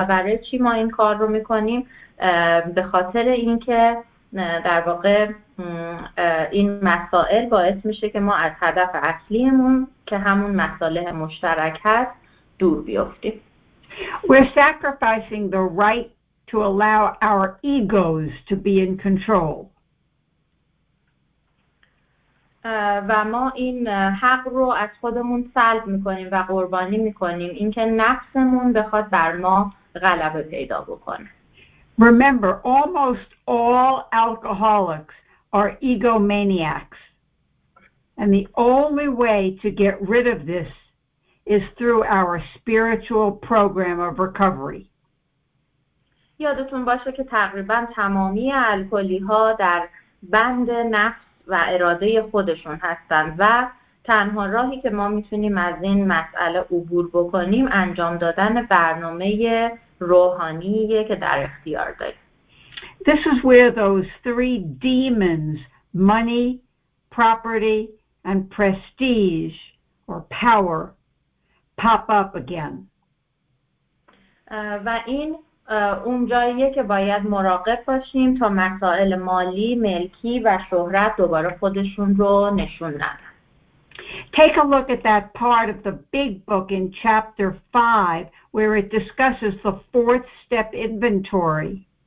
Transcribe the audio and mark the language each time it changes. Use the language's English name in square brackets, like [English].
[Persian] و برای چی ما این کار رو میکنیم؟ به خاطر اینکه در واقع این مسائل باعث میشه که ما از هدف اصلیمون که همون مصالح مشترک هست دور بیافتیم. [English] We're sacrificing the right to allow our egos to be in control. [Persian] و ما این حق رو از خودمون سلب میکنیم و قربانی میکنیم اینکه نفسمون بخواد بر ما غلبه پیدا بکنه. [English] Remember, almost all alcoholics are egomaniacs. And the only way to get rid of this is through our spiritual program of recovery. [Persian] یادتون باشه که تقریبا تمامی الکلی‌ها در بند نفس و اراده خودشون هستن و تنها راهی که ما میتونیم از این مسئله عبور بکنیم انجام دادن برنامه روحانیه که در اختیار داریم. [English] This is where those three demons, money, property, and prestige or power, pop up again. [Persian] و این اون جاییه که باید مراقب باشیم تا مسائل مالی، ملکی و شهرت دوباره خودشون رو نشون ندن. [English] Take a look at that part of the big book in chapter 5 where it discusses the fourth step inventory.